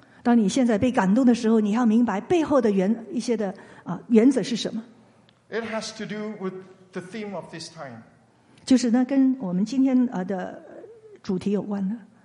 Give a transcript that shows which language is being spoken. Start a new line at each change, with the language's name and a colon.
Chinese: 当你现在被感动的时候，你要明白背后的一些的原则是什么。
English: It has to do with the theme of this time.
Chinese: 就是呢，跟我们今天的主题有关的。